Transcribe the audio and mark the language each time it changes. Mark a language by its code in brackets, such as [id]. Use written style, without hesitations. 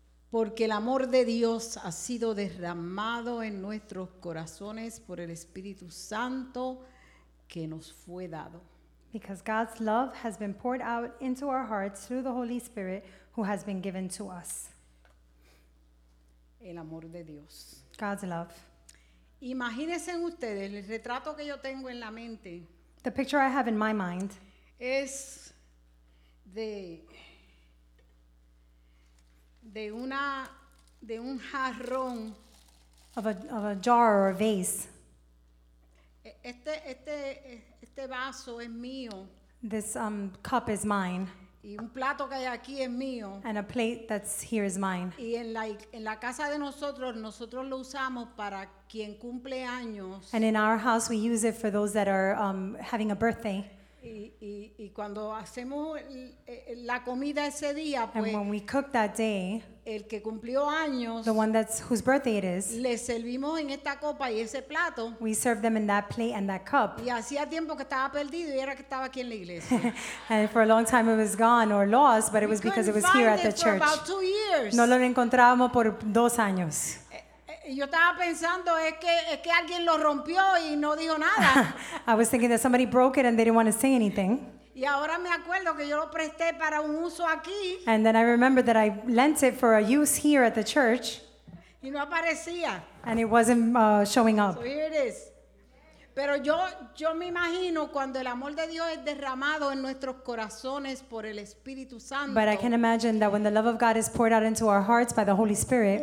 [es] Porque el amor de Dios ha sido derramado en nuestros corazones por el Espíritu Santo que nos fue dado. [en] Because God's love has been poured out into our hearts through the Holy Spirit who has been given to us. [es] El amor de Dios. [en] God's love. [es] Imagínense ustedes el retrato que yo tengo en la mente. [en] The picture I have in my mind [es] es de un jarrón, [en] of a jar or a vase. [es] Este vaso es mío. [en] This cup is mine. [es] Y un plato que hay aquí es mío. [en] And a plate that's here is mine. [es] Y en la casa de nosotros lo usamos para quien cumple años. [en] And in our house we use it for those that are having a birthday. [es] Y cuando hacemos la comida ese día, pues, [en] and when we cook that day, [es] el que cumplió años, [en] the one that's whose birthday it is, [es] le servimos en esta copa y ese plato. [en] We serve them in that plate and that cup. [es] Y hacía tiempo que estaba perdido y era que estaba aquí en la iglesia. [en] And for a long time it was gone or lost, but it was we because it was here at the church. About 2 years. [es] No lo encontrábamos por 2 años. Yo estaba pensando es que alguien lo rompió y no dijo nada. [en] I was thinking that somebody broke it and they didn't want to say anything. [es] Y ahora me acuerdo que yo lo presté para un uso aquí. [en] And then I remember that I lent it for a use here at the church. [es] Y no aparecía. [en] And it wasn't showing up. So here it is. [es] Pero yo me imagino cuando el amor de Dios es derramado en nuestros corazones por el Espíritu Santo. [en] But I can imagine that when the love of God is poured out into our hearts by the Holy Spirit.